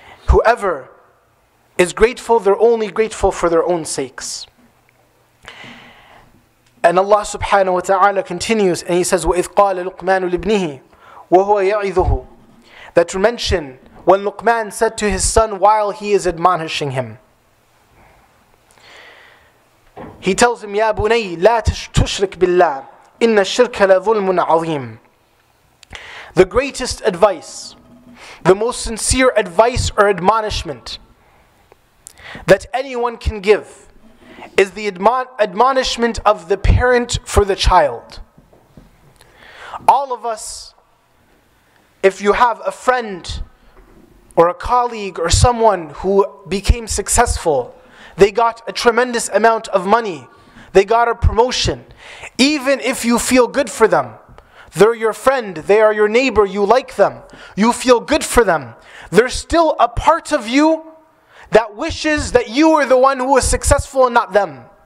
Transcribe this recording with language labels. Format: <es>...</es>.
<en>Whoever is grateful, they're only grateful for their own sakes. And Allah subhanahu wa ta'ala continues, and He says,</en> <ar>وَإِذْ قَالَ لُقْمَانُ لِبْنِهِ وَهُوَ يَعِذُهُ.</ar> <en>That mention, when Luqman said to his son while he is admonishing him. He tells him,</en> <ar>يَا بُنَيْ لَا تُشْرِكْ بِاللَّهِ إِنَّ الشِّرْكَ لَظُلْمٌ عَظِيمٌ.</ar> <en>The greatest advice, the most sincere advice or admonishment that anyone can give is the admonishment of the parent for the child. All of us, if you have a friend or a colleague or someone who became successful, they got a tremendous amount of money, they got a promotion, even if you feel good for them, they're your friend, they are your neighbor, you like them, you feel good for them, there's still a part of you that wishes that you are the one who is successful and not them.</en>